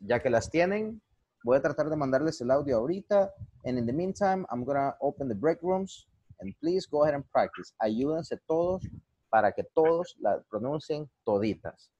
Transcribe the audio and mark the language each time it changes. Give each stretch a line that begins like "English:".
Spanish: Ya que las tienen, voy a tratar de mandarles el audio ahorita.
English: And in the meantime, I'm going to open the break rooms. And please go ahead and practice.
Spanish: Ayúdense todos para que todos la pronuncien toditas.